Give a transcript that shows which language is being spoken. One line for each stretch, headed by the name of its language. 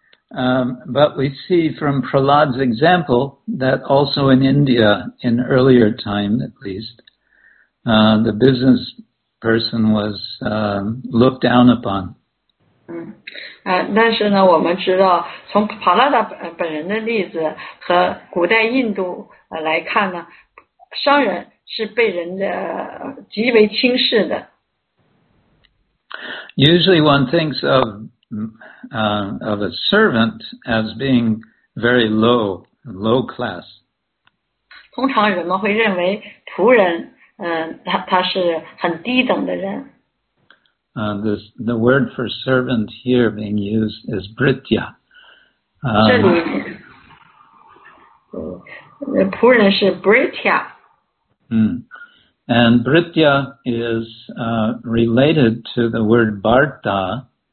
English: But we see from Prahlad's example that also in India, in earlier time at least, the business person was looked down upon.
Chinese: 但是呢，我们知道从帕拉达本人的例子和古代印度来看呢，商人是被人的极为轻视的。
English: Usually one thinks of a servant as being very low class.
Chinese: 通常人们会认为仆人，他是很低等的人。
English: The word for servant here being used is britya.
Chinese: 这里仆人是 britya.
English: And britya is related to the word bharta.